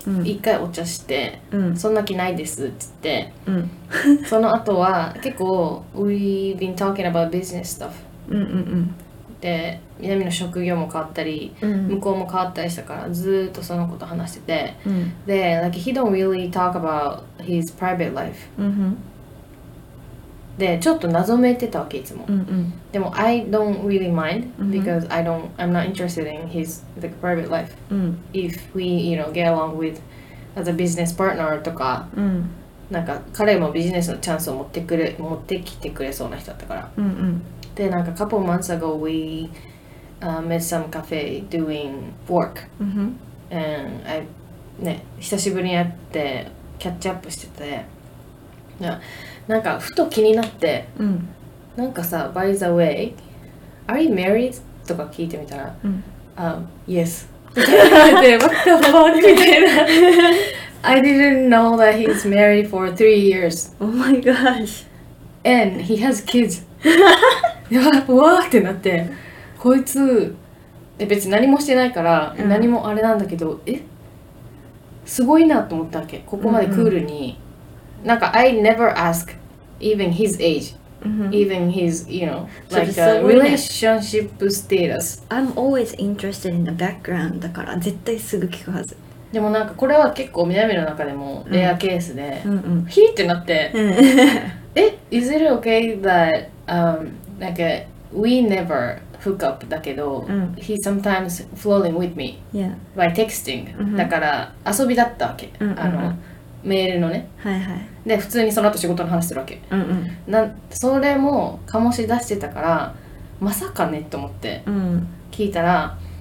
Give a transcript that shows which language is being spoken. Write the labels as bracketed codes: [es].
[ja] うん、一回お茶して、うん、そんな気ないですって言って、うん、その後は結構 [en] We've been talking about business stuff、 [ja] うんうんうん、で、南の職業も変わったり、うん、向こうも変わったりしたからずっとそのこと話してて、うん、で、 [en] like, He don't really talk about his private life、 [ja] うんうん、で、ちょっと謎めいてたわけ、いつも、うんうん、でも、 [en] I don't really mind because、 [ja] うん、 [en] I'm not interested in his like, private life、 [ja] うん、 [en] if we, you know, get along with as a business partner [ja] とか、うん、なんか彼もビジネスのチャンスを持ってきてくれそうな人だったから、うんうん、で、なんか [en] couple months ago we met some cafe doing work、 mm-hmm. and I [ja] ね久しぶりに会ってキャッチアップしてて、なんかふと気になって、うん、なんかさ [en] by the way are you married [ja] とか聞いてみたら、うん、 [en] yes [ja] で待って終わりみたいな。 [en] I didn't know that he's married for 3 years. Oh my gosh. And he has kids. [ja] わーってなって、こいつ、別に何もしてないから、うん、何もあれなんだけど、え？すごいなと思ったわけ。ここまでクールに。なんか、 [en] I never ask even his age. Mm-hmm. Even his, you know, like a relationship status. I'm always interested in the background, [ja] だから絶対すぐ聞くはず。でもなんかこれは結構南の中でもレアケースで、 [en] mm-hmm. [ja] ヒーってなって、え、 [en] mm-hmm. is it okay that, like, we never hook up [ja] だけど、 [en] mm-hmm. he sometimes flirting with me、 yeah. by texting、mm-hmm. [ja] だから遊びだったわけ。 [en] Mm-hmm. [ja] あのメールのね、はいはい、で普通にその後仕事の話してるわけ、うんうん、それも醸し出してたからまさかねと思って聞いたら、